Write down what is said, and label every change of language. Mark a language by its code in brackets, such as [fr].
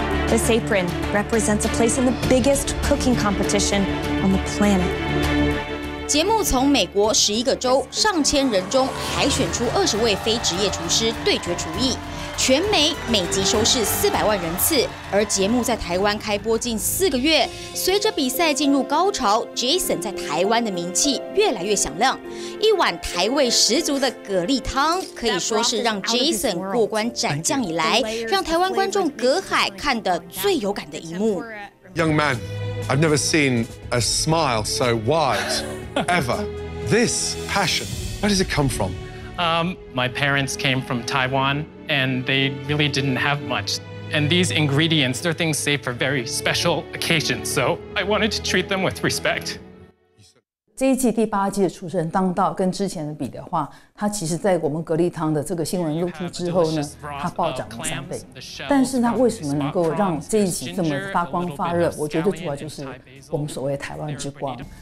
[en] This apron represents a place in the biggest cooking competition on the planet. [zh] 节目从美国11个州上千人中海选出20位非职业厨师对决厨艺。全美每集收视400万人次，而节目在台湾开播近4个月，随着比赛进入高潮 ，Jason 在台湾的名气越来越响亮。一碗台味十足的蛤蜊汤，可以说是让 Jason 过关斩将以来，让台湾观众隔海看得最有感的一幕。 [en] Young man, I've never seen a smile so wide ever. This passion, where does it come from? My parents came from Taiwan, and they really didn't have much. And these ingredients, they're things saved for very special occasions. So I wanted to treat them with respect. [zh] 这一季第八季的厨神当道，跟之前的比的话，他其实在我们蛤蜊汤的这个新闻露出之后呢，他暴涨了3倍。但是他为什么能够让这一集这么发光发热？我觉得主要就是我们所谓台湾之光。